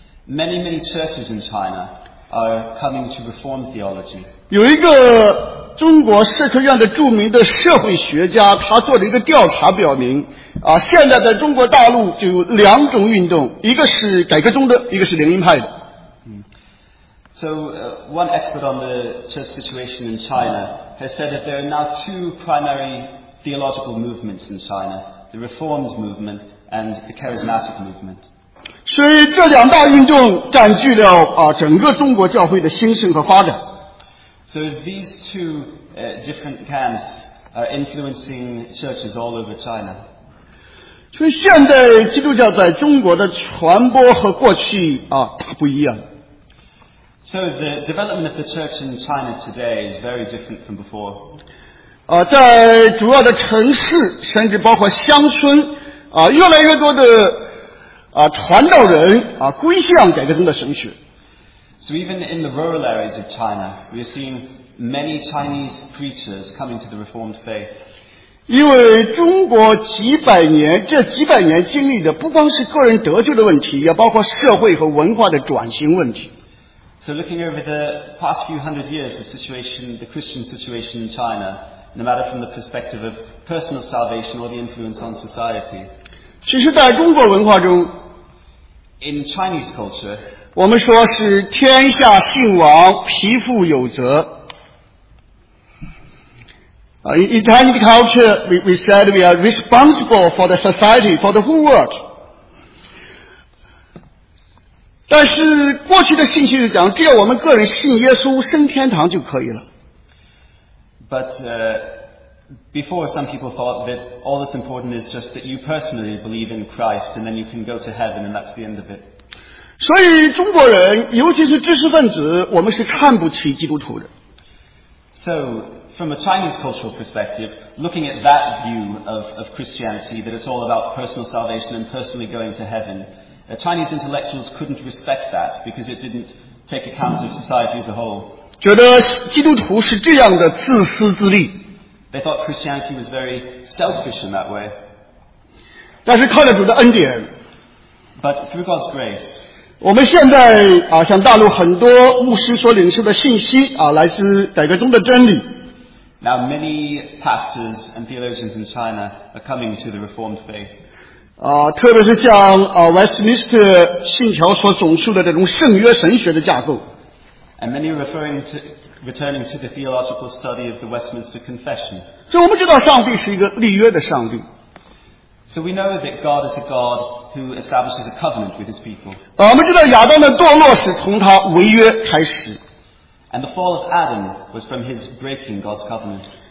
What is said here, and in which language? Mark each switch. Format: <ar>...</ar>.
<en>Many, many churches in China are coming to reform theology.</en> <zh>有一个 中国社科院的著名的社会学家，他做了一个调查，表明， 现在在中国大陆就有两种运动，一个是改革中的，一个是灵恩派的。</zh> <en>So one expert on the church situation in China has said that there are now two primary theological movements in China: the Reformed movement and the Charismatic movement.</en> <zh>所以这两大运动占据了 整个中国教会的兴盛和发展。</zh> <en>So these two different camps are influencing churches all over China.</en> <zh>所以现在基督教在中国的传播和过去大不一样。</zh> <en>So the development of the church in China today is very different from before.</en> <zh>在主要的城市甚至包括乡村越来越多的传道人归向改革宗的神学。</zh> <en>So even in the rural areas of China, we are seeing many Chinese preachers coming to the Reformed faith.</en> <zh>因为中国这几百年经历的不光是个人得救的问题，也包括社会和文化的转型问题。</zh> <en>So looking over the past few hundred years, the Christian situation in China, no matter from the perspective of personal salvation or the influence on society.</en> <zh>其实在中国文化中,</zh> <en>in Chinese culture,</en> <zh>我们说是天下兴亡，匹夫有责。</zh> <en>In Chinese culture, we said we are responsible for the society, for the whole world.</en> <zh>但是过去的信息是讲，只要我们个人信耶稣升天堂就可以了。But</zh> <en>before, some people thought that all that's important is just that you personally believe in Christ, and then you can go to heaven, and that's the end of it.</en> <zh>所以中国人，尤其是知识分子，我们是看不起基督徒的。So</zh> <en>from a Chinese cultural perspective, looking at that view of Christianity, that it's all about personal salvation and personally going to heaven, Chinese intellectuals couldn't respect that because it didn't take account of society as a whole.</en> <zh>觉得基督徒是这样的自私自利。</zh> <en>They thought Christianity was very selfish in that way.</en> <zh>但是靠着主的恩典,</zh> <en>but through God's grace,</en> <zh>我们现在像大陆很多牧师所领受的信息来自改革宗的真理。</zh> <en>Now many pastors and theologians in China are coming to the Reformed faith.</en> <zh>特别是像Westminster信条所总述的这种圣约神学的架构。</zh> <en>And many are returning to the theological study of the Westminster Confession.</en> <zh>所以我们知道上帝是一个立约的上帝。</zh> <en>So we know that God is a God who establishes a covenant with his people.</en> <zh>我们知道亚当的堕落是从他违约开始。</zh> <en>And the fall of Adam was from his breaking God's covenant.</en>